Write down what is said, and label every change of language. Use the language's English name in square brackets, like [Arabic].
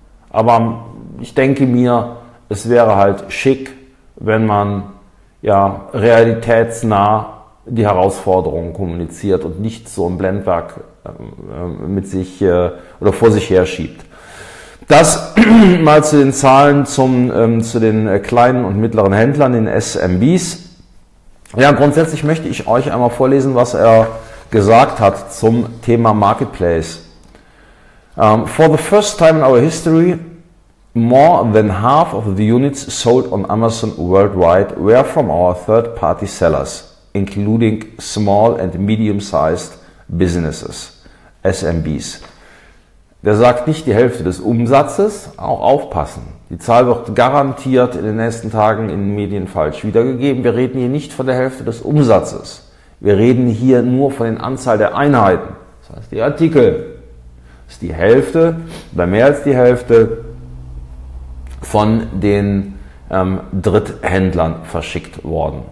[German] Aber ich denke mir, es wäre halt schick, wenn man ja realitätsnah die Herausforderungen kommuniziert und nicht so ein Blendwerk mit sich oder vor sich her schiebt. Das mal zu den Zahlen zu den kleinen und mittleren Händlern, den SMBs. Ja, grundsätzlich möchte ich euch einmal vorlesen, was er gesagt hat zum Thema Marketplace. [English] For the first time in our history, more than half of the units sold on Amazon worldwide were from our third-party sellers, including small and medium-sized businesses, SMBs. [German] Der sagt nicht die Hälfte des Umsatzes, auch aufpassen. Die Zahl wird garantiert in den nächsten Tagen in den Medien falsch wiedergegeben. Wir reden hier nicht von der Hälfte des Umsatzes. Wir reden hier nur von der Anzahl der Einheiten. Das heißt, die Artikel ist die Hälfte oder mehr als die Hälfte von den Dritthändlern verschickt worden.